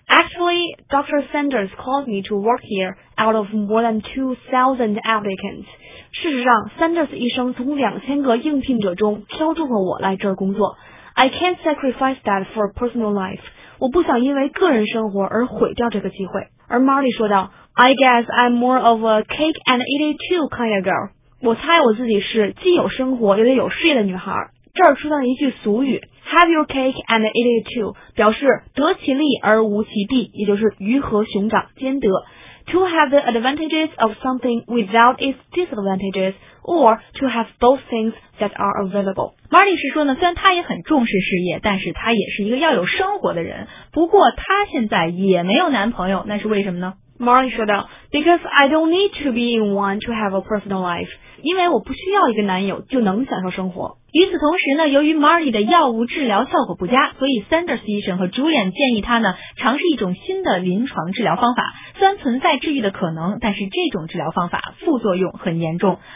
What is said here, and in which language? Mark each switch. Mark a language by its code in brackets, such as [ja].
[en] Actually, Dr. Sanders called me to work here out of more than 2,000 applicants. [zh] 事实上 Sanders 医生从2000个应聘者中挑中了我来这儿工作。 [en] I can't sacrifice that for personal life. [zh] 我不想因为个人生活而毁掉这个机会。 [en] 而 Marley [zh] 说道， [en] I guess I'm more of a cake and eat it too kind of girl. [zh] 我猜我自己是既有生活又得有事业的女孩。这儿出现了一句俗语， [en] Have your cake and eat it too, [zh] 表示得其利而无其弊，也就是鱼和熊掌兼得。 [en] To have the advantages of something without its disadvantages, or to have both things that are available. [zh] Marley 是说呢，虽然他也很重视事业，但是他也是一个要有生活的人。不过他现在也没有男朋友，那是为什么呢？ [en] Marley [zh] 说道， [en] Because I don't need to be in one to have a personal life. [zh] 因为我不需要一个男友就能享受生活。与此同时呢，由于 Marley 的药物治疗效果不佳，所以 Sanders 医生和 Julian 建议他呢尝试一种新的临床治疗方法。虽然存在治愈的可能，但是这种治疗方法副作用很严重。